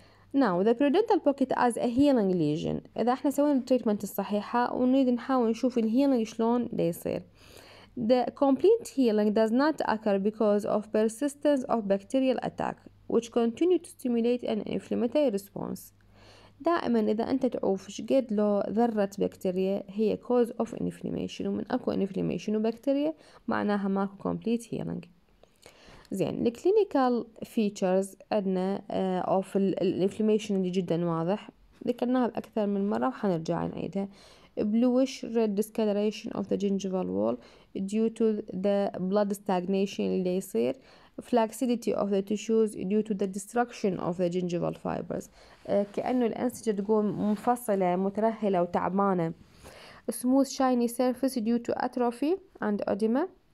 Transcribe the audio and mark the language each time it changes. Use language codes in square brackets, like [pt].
[en] Now, the periodontal pocket as a healing lesion. [ar] إذا إحنا سوينا التريتمنت الصحيحة ونريد نحاول نشوف الهيلينج شلون دا يصير. [en] The complete healing does not occur because of persistence of bacterial attack, which continue to stimulate an inflammatory response. [ar] دائما إذا أنت تعوف شقد له ذرة بكتيريا هي [en] cause of inflammation [ar] ومن أكو inflammation وبكتيريا معناها ماكو complete healing. زين [en] the clinical features [ar] عندنا [en] of الانفلاميشن [ar] اللي جدا واضح ذكرناها أكثر من مرة وحنرجع نعيدها [en] bluish red discoloration of the gingival wall due to the blood stagnation اللي يصير flaccidity of the tissues due to the destruction of the gingival fibers [ar] كأنه الأنسجة تقوم منفصلة مترهلة وتعبانة [en] smooth shiny surface due to atrophy and edema